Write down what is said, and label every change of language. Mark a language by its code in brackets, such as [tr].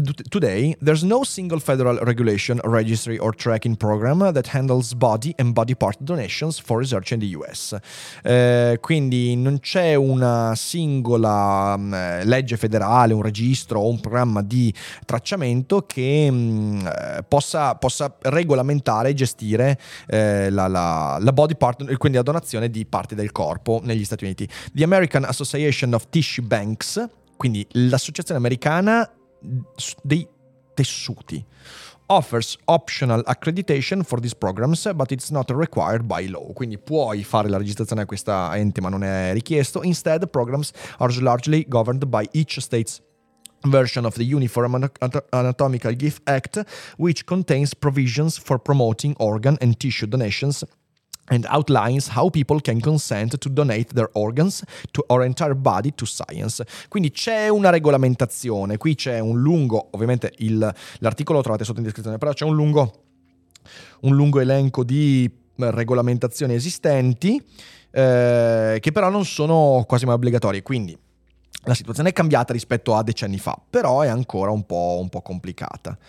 [en] Today there's no single federal regulation, registry or tracking program that handles body and body part donations for research in the US. [it] Quindi non c'è una singola legge federale, un registro o un programma di tracciamento che possa regolamentare e gestire la body part, quindi la donazione di parti del corpo negli Stati Uniti. [en] The American Association of Tissue Banks, [it] quindi l'Associazione Americana dei Tessuti, [en] offers optional accreditation for these programs, but it's not required by law. [it] Quindi puoi fare la registrazione a questa ente, ma non è richiesto. [en] Instead, programs are largely governed by each state's version of the Uniform Anatomical Gift Act, which contains provisions for promoting organ and tissue donations and outlines how people can consent to donate their organs to or entire body to science. [it] Quindi c'è una regolamentazione, qui c'è un lungo, ovviamente l'articolo lo trovate sotto in descrizione, però c'è un lungo elenco di regolamentazioni esistenti che però non sono quasi mai obbligatorie, quindi la situazione è cambiata rispetto a decenni fa, però è ancora un po' complicata.